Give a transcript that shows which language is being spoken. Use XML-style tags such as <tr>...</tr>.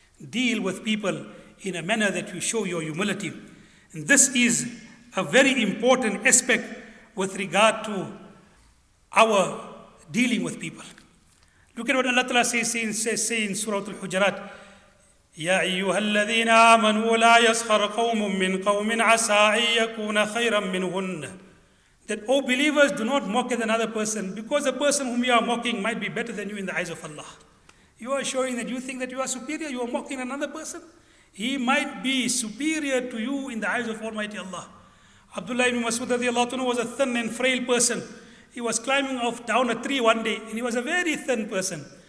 <en>Deal with people in a manner that you show your humility. And this is a very important aspect with regard to our dealing with people. Look at what Allah Ta'ala says in Surah Al-Hujarat.</en> <ar>يا أيها الذين آمنوا لا يسخر قوم من قوم عسى أن يكون خيرا منهن.</ar> <en>That all believers do not mock at another person, because the person whom you are mocking might be better than you in the eyes of Allah. You are showing that you think that you are superior, you are mocking another person. He might be superior to you in the eyes of Almighty Allah. Abdullah ibn Mas'ud radiallahu anhu was a thin and frail person. He was climbing off down a tree one day, and he was a very thin person.</en>